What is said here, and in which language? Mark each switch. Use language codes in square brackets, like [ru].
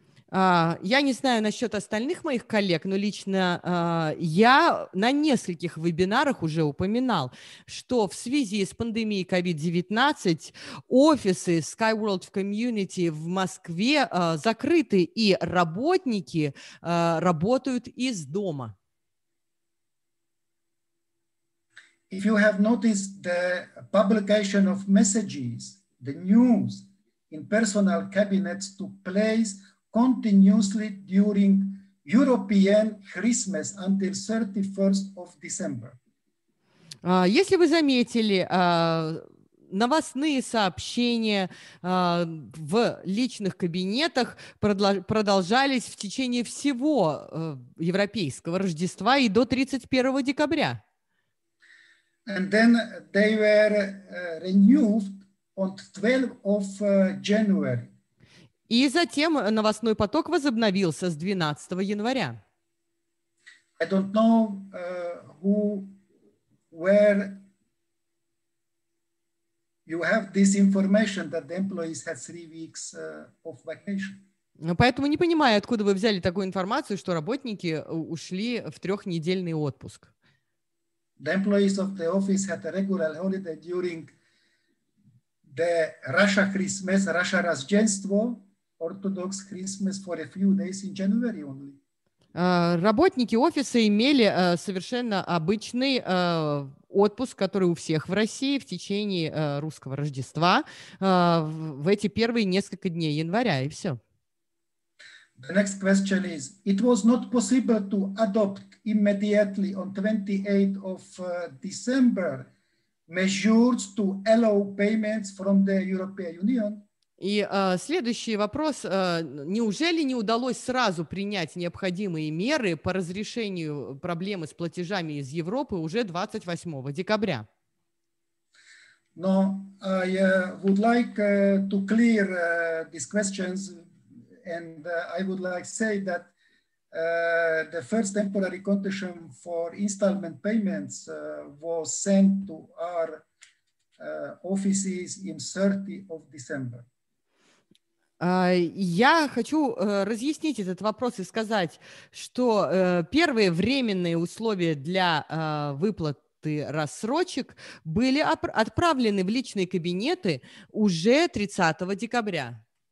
[ru] Я не знаю насчет остальных моих коллег, но лично я на нескольких вебинарах уже упоминал, что в связи с пандемией COVID-19 офисы SkyWorld Community в Москве закрыты, и работники работают из дома. [en] If you have noticed the publication of messages, the news in personal cabinets took place continuously during European Christmas until 31st of December. [ru] Если вы заметили новостные сообщения в личных кабинетах продолжались в течение всего европейского Рождества и до 31 декабря. [en] And then they were renewed on 12th of January. [ru] И затем новостной поток возобновился с 12 января. [en] I don't know who, where you have this information that the employees had 3 weeks of vacation. [ru] Поэтому не понимаю, откуда вы взяли такую информацию, что работники ушли в трехнедельный отпуск. [en] The employees of the office had a regular holiday during the Russia Christmas, Russia Rождество. Orthodox Christmas for a few days in January only. [ru] Работники офиса имели совершенно обычный отпуск, который у всех в России в течение русского Рождества в эти первые несколько дней января, и все. [en] The next question is, it was not possible to adopt immediately on 28th of December measures to allow payments from the European Union. [ru] И следующий вопрос. Неужели не удалось сразу принять необходимые меры по разрешению проблемы с платежами из Европы уже 28 декабря? [en] No, I would like to clear these questions, and I would like to say that the first temporary condition for installment payments was sent to our offices in 30 of December. [ru] Я хочу разъяснить этот вопрос и сказать, что первые временные условия для выплаты рассрочек были отправлены в личные кабинеты уже 30 декабря.